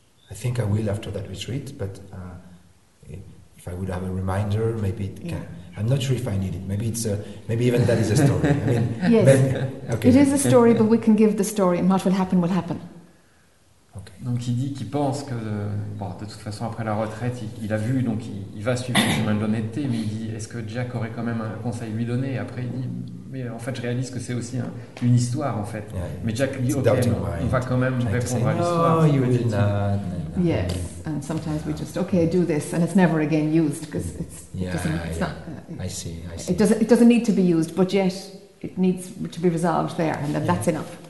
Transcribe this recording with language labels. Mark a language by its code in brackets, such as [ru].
[en] I think I will after that retreat, but if I would have a reminder, maybe it can. I'm not sure if I need it. Maybe it's a, maybe even that is a story. I mean, yes, maybe, okay. It is a story, but we can give the story, and what will happen will happen. [fr] Donc il dit qu'il pense que, bon, de toute façon après la retraite, il a vu, donc il va suivre le chemin de l'honnêteté, mais il dit, est-ce que Jack aurait quand même un conseil à lui donner? Après il dit, mais en fait je réalise que c'est aussi une histoire en fait. [en] Yeah, [fr] mais Jack lui dit, ok, non, on va quand même répondre [en] say, [fr] à l'histoire. [en] No, you did not. Yes, and sometimes we just, okay, do this, and it's never again used, because it's, yeah, it doesn't, it's yeah. not... I see. It doesn't need to be used, but yet it needs to be resolved there, and then that's enough.